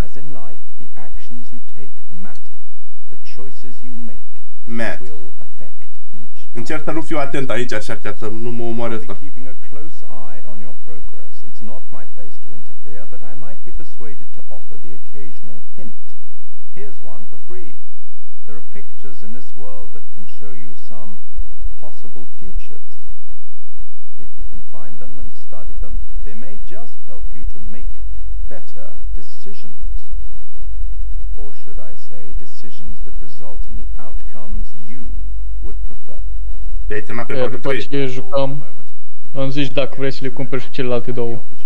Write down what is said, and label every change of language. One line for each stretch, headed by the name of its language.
English: As in life, the actions you take matter. The choices you make will affect each other.
Romanian: Încerc să nu fiu atent aici, așa, ca să nu mă omoare ăsta.
English: Keeping a close eye on your progress. It's not my place to interfere, but I might be persuaded to offer the occasional hint. Here's one for free. There are pictures in this world that can show you some possible futures. If you can find them and study them, they may just help you to make better decisions. Or should I say, decisions that result in the outcomes you would prefer.
Romanian: După ce jucăm, îmi zici dacă vrei să le cumperi și celelalte două.